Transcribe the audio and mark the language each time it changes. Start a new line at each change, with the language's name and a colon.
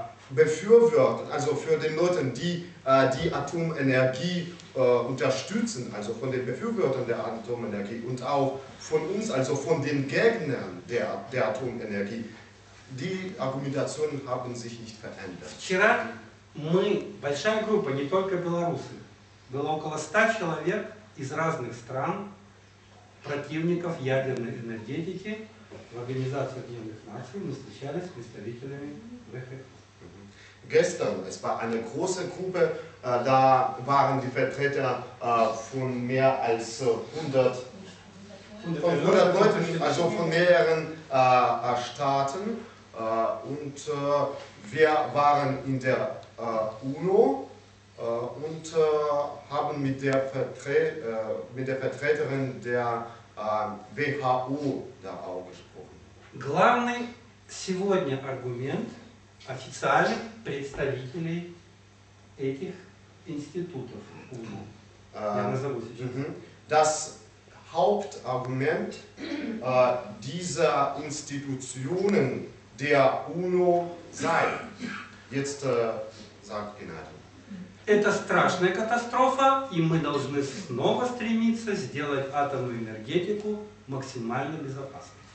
German: Befürwortern, also für den Leuten, die die Atomenergie unterstützen, also von den Befürwortern der Atomenergie und auch von uns, also von den Gegnern der Atomenergie, die Argumentationen haben sich nicht verändert.
Russian: Вчера мы, большая группа, не только белорусы, было около 100 человек из разных стран, противников ядерной энергетики в Организации Объединенных Наций, мы встречались с представителями ВХС.
German: Gestern, es war eine große Gruppe, da waren die Vertreter von mehr als 100 Leuten, also von mehreren Staaten. Und wir waren in der UNO und haben mit der Vertreterin der WHO da auch gesprochen.
Russian: Главный сегодня аргумент официальных представителей этих институтов UNO.
German: Das Hauptargument dieser Institutionen der UNO sei. Jetzt sagt Геннадий.
Russian: Это страшная катастрофа, и мы должны снова стремиться сделать атомную энергетику максимально безопасной.